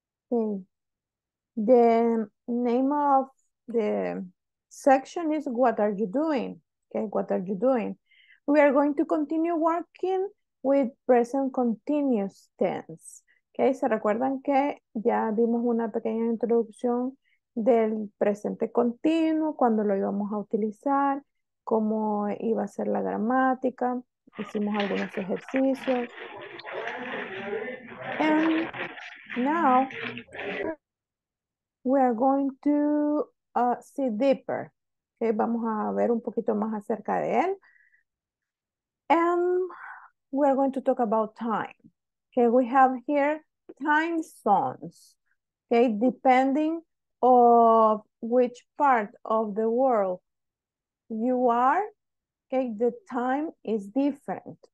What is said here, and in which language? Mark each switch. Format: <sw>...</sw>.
<en>Okay, the name of the section is what are you doing? Okay, what are you doing? We are going to continue working with present continuous tense.</en> <es>Okay, ¿se recuerdan que ya dimos una pequeña introducción del presente continuo, cuando lo íbamos a utilizar, cómo iba a ser la gramática? Hicimos algunos ejercicios.</es> <en>And now we are going to see deeper.</en> <es>Okay, vamos a ver un poquito más acerca de él.</es> <en>And we are going to talk about time. Okay, we have here time zones. Okay, depending of which part of the world you are, okay, the time is different.</en>